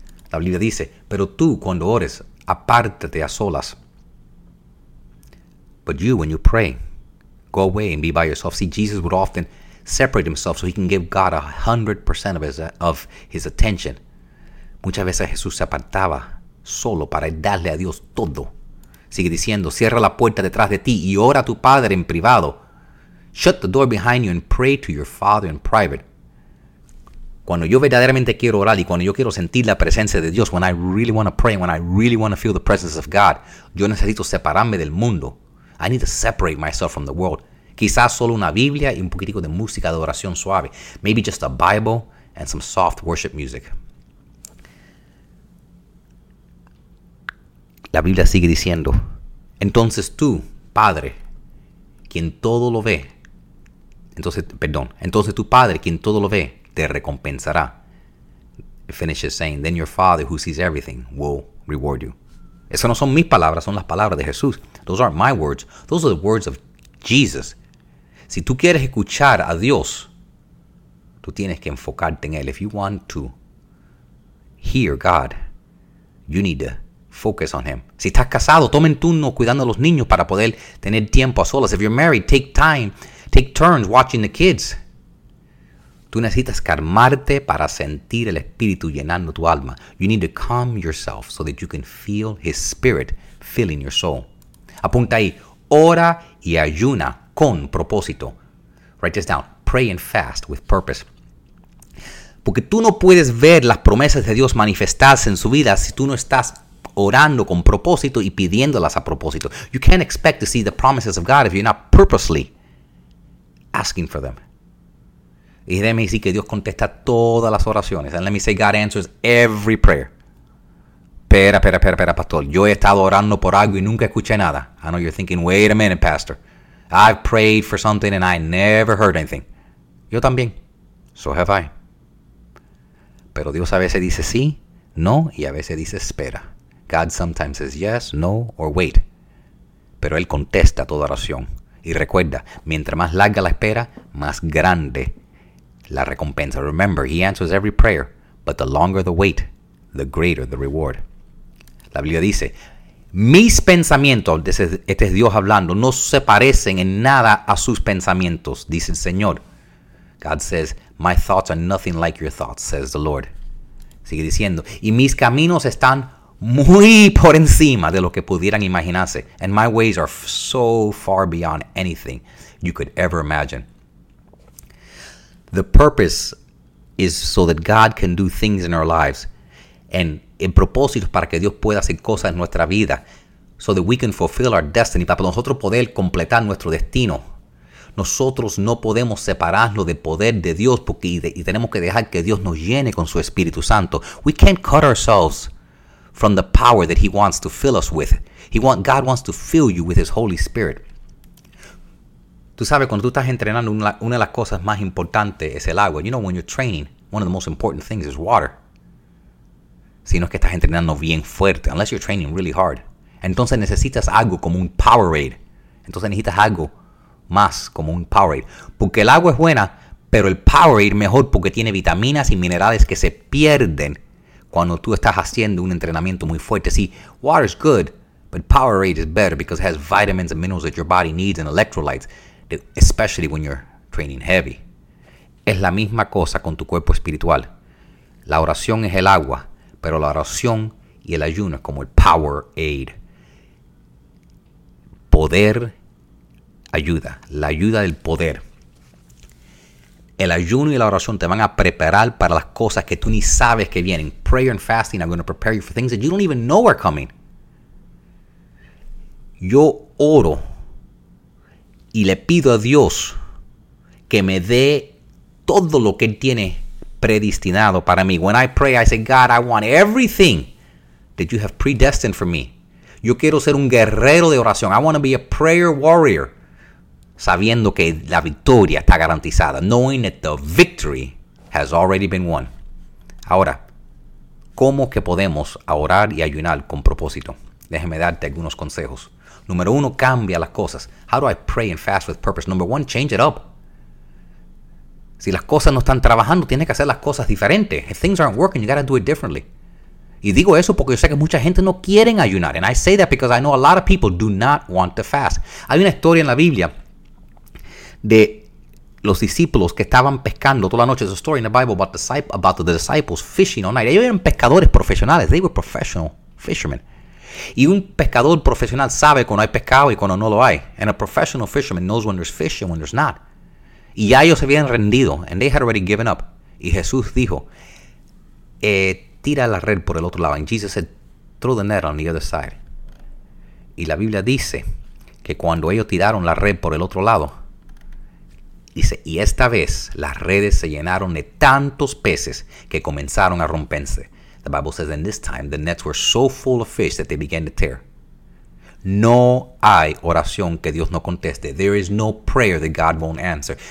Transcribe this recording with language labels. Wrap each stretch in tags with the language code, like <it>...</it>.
<es>La Biblia dice, pero tú cuando ores, apártate a solas.</es> <en>But you, when you pray, go away and be by yourself. See, Jesus would often separate himself so he can give God 100% of his attention.</en> <es>Muchas veces Jesús se apartaba solo para darle a Dios todo. Sigue diciendo, cierra la puerta detrás de ti y ora a tu Padre en privado.</es> <en>Shut the door behind you and pray to your Father in private.</en> <es>Cuando yo verdaderamente quiero orar y cuando yo quiero sentir la presencia de Dios,</es> <en>when I really want to pray, when I really want to feel the presence of God,</en> <es>yo necesito separarme del mundo.</es> <en>I need to separate myself from the world.</en> <es>Quizás solo una Biblia y un poquitico de música de oración suave.</es> <en>Maybe just a Bible and some soft worship music.</en> <es>La Biblia sigue diciendo, entonces tú, Padre, quien todo lo ve, entonces tu Padre, quien todo lo ve, te recompensará.</es> <en>It finishes saying, then your Father who sees everything will reward you.</en> <es>Esas no son mis palabras, son las palabras de Jesús.</es> <en>Those aren't my words. Those are the words of Jesus.</en> <es>Si tú quieres escuchar a Dios, tú tienes que enfocarte en Él.</es> <en>If you want to hear God, you need to focus on Him.</en> <es>Si estás casado, tomen turno cuidando a los niños para poder tener tiempo a solas.</es> <en>If you're married, take turns watching the kids.</en> <es>Tú necesitas calmarte para sentir el Espíritu llenando tu alma.</es> <en>You need to calm yourself so that you can feel His Spirit filling your soul.</en> <es>Apunta ahí, ora y ayuna con propósito.</es> <en>Write this down, pray and fast with purpose.</en> <es>Porque tú no puedes ver las promesas de Dios manifestarse en su vida si tú no estás orando con propósito y pidiéndolas a propósito.</es> <en>You can't expect to see the promises of God if you're not purposely asking for them.</en> <es>Y déjeme decir que Dios contesta todas las oraciones.</es> <en>And let me say God answers every prayer.</en> <es>Espera, pastor. Yo he estado orando por algo y nunca escuché nada.</es> <en>I know you're thinking, wait a minute, pastor. I've prayed for something and I never heard anything.</en> <es>Yo también.</es> <en>So have I.</en> <es>Pero Dios a veces dice sí, no, y a veces dice espera.</es> <en>God sometimes says yes, no, or wait.</en> <es>Pero Él contesta toda oración. Y recuerda, mientras más larga la espera, más grande la recompensa.</es> <en>Remember, He answers every prayer, but the longer the wait, the greater the reward.</en> <es>La Biblia dice, mis pensamientos, este es Dios hablando, no se parecen en nada a sus pensamientos, dice el Señor.</es> <en>God says, my thoughts are nothing like your thoughts, says the Lord.</en> <es>Sigue diciendo, y mis caminos están muy por encima de lo que pudieran imaginarse.</es> <en>And my ways are so far beyond anything you could ever imagine. The purpose is so that God can do things in our lives.</en> <es>And el propósito es para que Dios pueda hacer cosas en nuestra vida.</es> <en>So that we can fulfill our destiny.</en> <es>Para nosotros poder completar nuestro destino. Nosotros no podemos separarnos del poder de Dios. Y tenemos que dejar que Dios nos llene con su Espíritu Santo.</es> <en>We can't cut ourselves from the power that He wants to fill us with. God wants to fill you with His Holy Spirit.</en> <es>Tú sabes, cuando tú estás entrenando, una de las cosas más importantes es el agua.</es> <en>You know, when you're training, one of the most important things is water.</en> <es>Si no es que estás entrenando bien fuerte,</es> <en>unless you're training really hard.</en> <es>Entonces necesitas algo como un Powerade. Entonces necesitas algo más como un Powerade. Porque el agua es buena, pero el Powerade mejor porque tiene vitaminas y minerales que se pierden cuando tú estás haciendo un entrenamiento muy fuerte.</es> <en>See, water is good, but Powerade is better because it has vitamins and minerals that your body needs and electrolytes, especially when you're training heavy.</en> <es>Es la misma cosa con tu cuerpo espiritual. La oración es el agua, pero la oración y el ayuno es como el Powerade. Poder ayuda, la ayuda del poder. El ayuno y la oración te van a preparar para las cosas que tú ni sabes que vienen.</es> <en>Prayer and fasting are going to prepare you for things that you don't even know are coming.</en> <es>Yo oro y le pido a Dios que me dé todo lo que Él tiene predestinado para mí.</es> <en>When I pray, I say, God, I want everything that you have predestined for me.</en> <es>Yo quiero ser un guerrero de oración.</es> <en>I want to be a prayer warrior.</en> <es>Sabiendo que la victoria está garantizada.</es> <en>Knowing that the victory has already been won.</en> <es>Ahora, ¿cómo que podemos orar y ayunar con propósito? Déjeme darte algunos consejos. Número uno, cambia las cosas.</es> <en>How do I pray and fast with purpose? Number one, change it up.</en> <es>Si las cosas no están trabajando, tienes que hacer las cosas diferentes.</es> <en>If things aren't working, you gotta do it differently.</en> <es>Y digo eso porque yo sé que mucha gente no quieren ayunar.</es> <en>And I say that because I know a lot of people do not want to fast.</en> <es>Hay una historia en la Biblia de los discípulos que estaban pescando toda la noche.</es> <en>There's a story in the Bible about the disciples fishing all night.</en> <es>Ellos eran pescadores profesionales.</es> <en>They were professional fishermen.</en> <es>Y un pescador profesional sabe cuando hay pescado y cuando no lo hay.</es> <en>And a professional fisherman knows when there's fish and when there's not.</en> <es>Y ya ellos se habían rendido.</es> <en>And they had already given up.</en> <es>Y Jesús dijo, tira la red por el otro lado.</es> <en>And Jesus said, throw the net on the other side.</en> <es>Y la Biblia dice que cuando ellos tiraron la red por el otro lado, dice, y esta vez las redes se llenaron de tantos peces que comenzaron a romperse.</es> <en>The Bible says, and this time the nets were so full of fish that they began to tear.</en> <es>No hay oración que Dios no conteste.</es> <en>There is no prayer that God won't answer.</en>